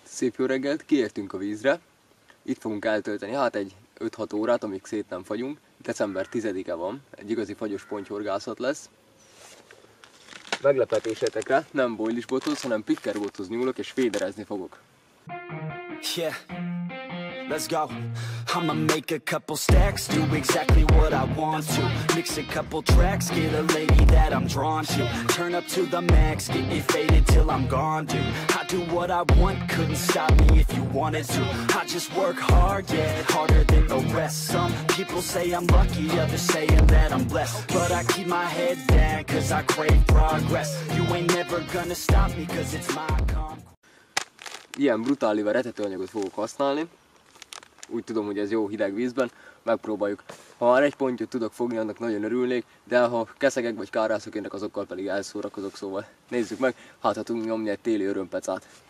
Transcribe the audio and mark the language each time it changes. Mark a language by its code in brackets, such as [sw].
[hu] Szép jó reggelt, kiértünk a vízre. Itt fogunk eltölteni, hát egy 5-6 órát, amíg szét nem fagyunk. December 10-e van, egy igazi fagyos pontyhorgászat lesz. Meglepetésetekre nem boilis bothoz, hanem picker bothoz nyúlok és féderezni fogok. [en] Yeah, let's go. I'ma make a couple stacks, do exactly what I want to. Mix a couple tracks, get a lady that I'm drawn to. Turn up to the max, get me faded till I'm gone, dude. I do what I want, couldn't stop me if you wanted to. I just work hard, yeah, harder than the rest. Some people say I'm lucky, others saying that I'm blessed. But I keep my head down, cause I crave progress. You ain't never gonna stop me, cause it's my conquest. [hu] Ilyen brutálival retetőanyagot fogok használni. Úgy tudom, hogy ez jó hideg vízben, megpróbáljuk. Ha már egy pontot tudok fogni, annak nagyon örülnék, de ha keszegek vagy kárászok érnek, azokkal pedig elszórakozok, szóval nézzük meg, hát ha tudunk nyomni egy téli örömpecát.